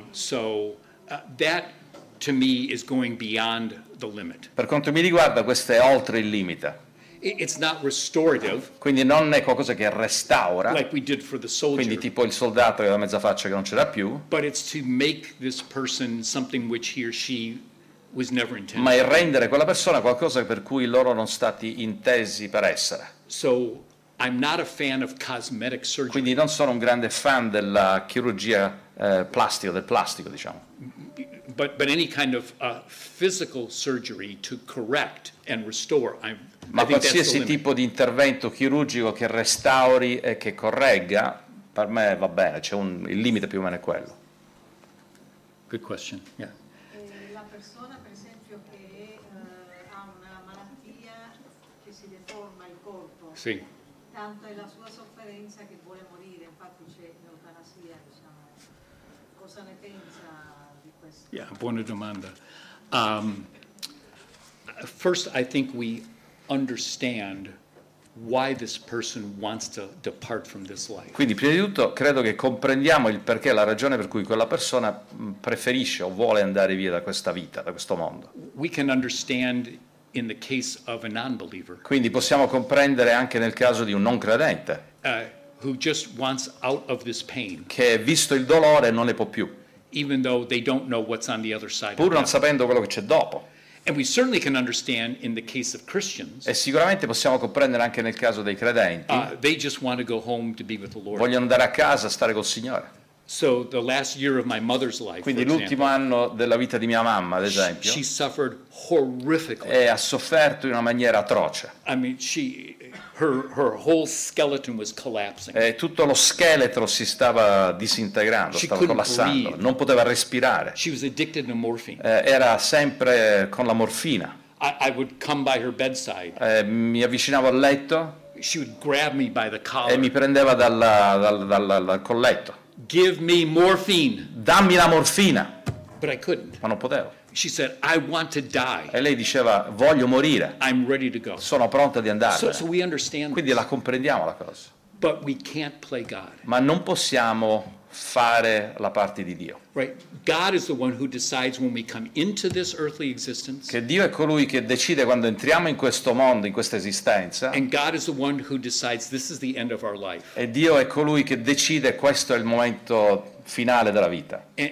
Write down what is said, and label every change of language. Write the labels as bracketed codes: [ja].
[en] That to me is going beyond the limit. [it] Per quanto mi riguarda, questo è oltre il limite. [en] It's not restorative. [it] Quindi non è qualcosa che restaura. [en] Like we did for the soldier. [it] Quindi tipo il soldato che ha la mezza faccia che non c'era più. [en] But it's to make this person something which he or she was never intended. [it] Ma è rendere quella persona qualcosa per cui loro non stati intesi per essere. [en] So I'm not a fan of cosmetic surgery. [it] Quindi non sono un grande fan della chirurgia plastica, del plastico, diciamo. [en] But any kind of physical surgery to correct and restore, [it] ma qualsiasi tipo di intervento chirurgico che restauri e che corregga, per me va bene, c'è il limite più o meno è quello. [en] Good question. Yeah. [it] La persona, per esempio, che ha una malattia che si deforma il corpo. Sì. Tanto è la sua sofferenza che vuole morire, infatti c'è l'eutanasia, diciamo. Cosa ne pensa di questo? [en] Yeah, [it] buona domanda. [en] First I think we understand why this person wants to depart from this life. [it] Quindi prima di tutto credo che comprendiamo il perché, la ragione per cui quella persona preferisce o vuole andare via da questa vita, da questo mondo. [en] We can understand in the case of a non-believer. [it] Quindi possiamo comprendere anche nel caso di un non credente. [en] Who just wants out of this pain. [it] Che visto il dolore non ne può più. [en] Even though they don't know what's on the other side. [it] Pur non sapendo quello che c'è dopo. [en] And we certainly can understand in the case of Christians. [it] E sicuramente possiamo comprendere anche nel caso dei credenti. [en] They just want to go home to be with the Lord. [it] Vogliono andare a casa a stare col Signore. [en] So the last year of my mother's life. [it] Quindi l'ultimo anno della vita di mia mamma, ad esempio. [en] She suffered horrifically. [it] E ha sofferto in una maniera atroce. [en] I mean, her whole skeleton was collapsing. [it] E tutto lo scheletro si stava disintegrando, [en] she [it] stava collassando, [en] breathe. [it] Non poteva respirare. [en] She was addicted to morphine. [it] Era sempre con la morfina. [en] I would come by her bedside. [it] Mi avvicinavo al letto. [en] She would grab me by the collar. [it] E mi prendeva dal colletto. [en] Give me morphine. [it] Dammi la morfina. [en] But I couldn't. [it] Ma non potevo. [en] She said, "I want to die." [it] E lei diceva, "Voglio morire." [en] I'm ready to go. [it] Sono pronta di andare. [en] So we understand. [it] Quindi la comprendiamo la cosa. [en] But we can't play God. [it] Ma non possiamo fare la parte di Dio. [en] Right. God is the one who decides when we come into this earthly existence. [it] Che Dio è colui che decide quando entriamo in questo mondo, in questa esistenza. [en] And God is the one who decides this is the end of our life. [it] E Dio è colui che decide questo è il momento finale della vita.